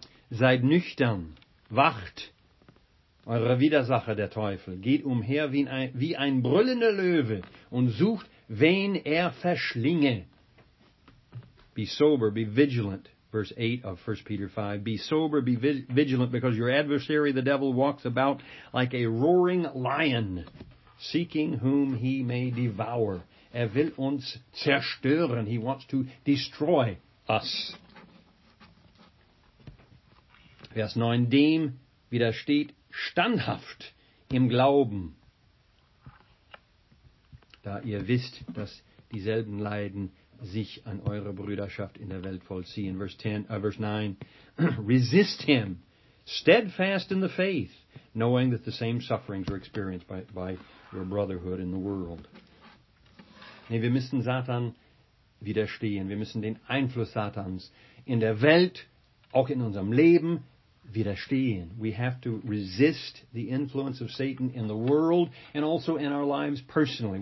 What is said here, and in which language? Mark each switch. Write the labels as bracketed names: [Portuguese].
[German] Seid nüchtern, wacht, eure Widersacher, der Teufel, geht umher wie ein brüllender Löwe und sucht, wen er verschlinge. [English] Be sober, be vigilant, verse 8 of 1 Peter 5. Be sober, be vigilant, because your adversary, the devil, walks about like a roaring lion, seeking whom he may devour. [German] Er will uns zerstören. [English] He wants to destroy us. [German] Vers 9. Dem widersteht standhaft im Glauben, da ihr wisst, dass dieselben Leiden sich an eure Brüderschaft in der Welt vollziehen. [English] Verse 9. Resist him, steadfast in the faith, knowing that the same sufferings are experienced by your brotherhood in the world. [German] Nee, wir müssen Satan widerstehen. Wir müssen den Einfluss Satans in der Welt, auch in unserem Leben, widerstehen. [English] We have to resist the influence of Satan in the world and also in our lives personally.